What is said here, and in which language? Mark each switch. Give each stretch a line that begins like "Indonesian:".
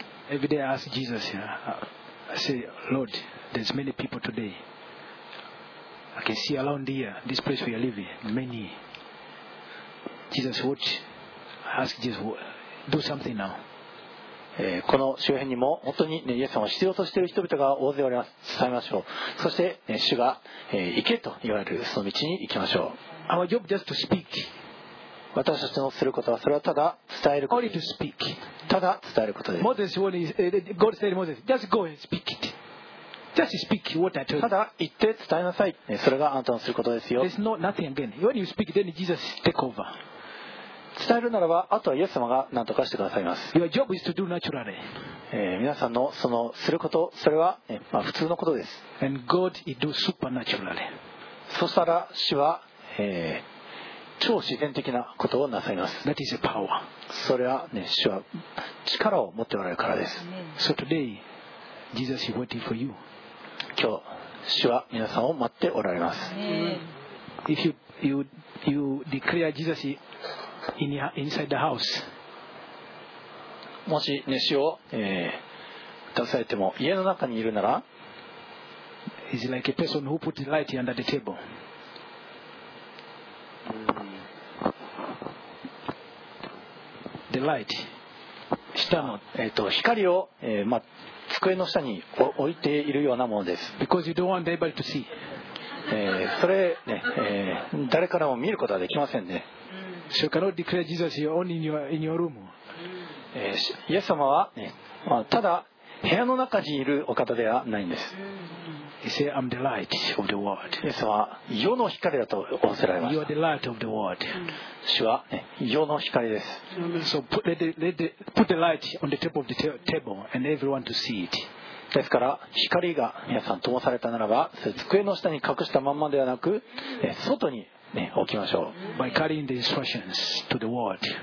English: Every day I ask Jesus, I say, Lord, there's many people today. I can see around here, this place where you're living, many. Jesus, watch. Ask Jesus, do something now.
Japanese: この周辺にも本当に、ね、イエス様を必要としている人々が大勢おります。伝えましょう。そして、ね、主が、行けと言われるその道に行きましょう。
English: Our job just to speak.
Japanese: 私たちのすることはそれはただ伝えること。
English: Only to speak.
Japanese: ただ伝えることです。
English: Moses, when God said Moses, just go and speak it. Just speak what I told you.
Japanese: ただ言って伝えなさい。それがあなたのすることですよ。
English: There's no nothing again. When you speak, then Jesus take over.
Japanese: 伝えるならば、あとはイエス様が何とかしてくださいます。
English: Your job is to do naturally.
Japanese: 皆さんのそのすること、それは、ね、まあ、普通のことです。
English: And God will do supernaturally.
Japanese: そしたら主は、超自然的なことをなさいます。
English: That is a power.
Japanese: それは、ね、主は力を持っておられるからです。
English: So today, Jesus is waiting for you.
Japanese: 今日、主は皆さんを待っておられます。
English: If you declare Jesus isinside the house.
Japanese: もし熱心を、出されても家の中にいるなら、
English: is like a person who put light under the table. The light.
Japanese: 下の、光を、ま、机の下に置いているようなものです。
English: Because you don't want anybody to see.
Japanese: それ、ね、誰からも見ることはできませんね。
English: So cannot declare Jesus here only in your room.
Japanese: イエス様は、ね、ま、ただ部屋の中にいるお方ではないんです。
English: He said, I'm the light of the world.
Japanese: イエスは世の光だと仰せられました。
English: You are the light of the world.
Japanese: 主は、ね、世の光です。
English: So put the light on the top of the table and everyone to see it.
Japanese: ですから光が皆さん灯されたならば、それ机の下に隠したままではなく、外に、ね、置きましょう。
English: By carrying the instructions to the world.